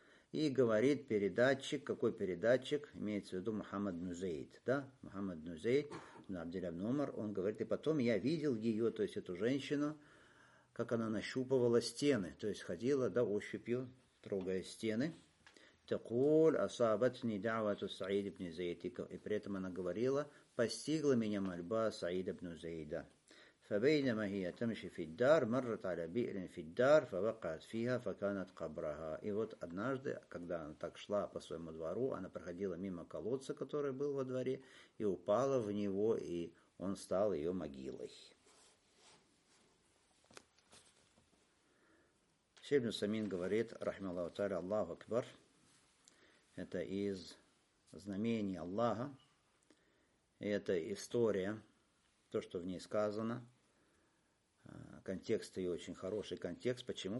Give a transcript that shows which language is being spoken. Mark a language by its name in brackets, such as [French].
[Russian] И говорит передатчик, какой передатчик, имеется в виду Мухаммад Нузейд, да, Мухаммад Нузейд, Абдилля ибн Умар, он говорит, и потом я видел ее, то есть эту женщину, как она нащупывала стены, то есть ходила, да, ощупью, трогая стены. Такуль асабатни даавату Саид ибн Зейд, и при этом она говорила, постигла меня мольба Саида ибн Зейда. [Arabic] فبينما هي تمشي في الدار مرت على بئر في الدار فوقعت فيها فكانت قبرها. [Russian] И вот однажды, когда она так шла по своему двору, она проходила мимо колодца, который был во дворе, и упала в него, и он стал ее могилой. Шейх Усаймин говорит, рахмаллаху тааля, Аллаху акбар, это из знамений Аллаха, это история, то, что в ней сказано, контекст ее очень хороший контекст. Почему?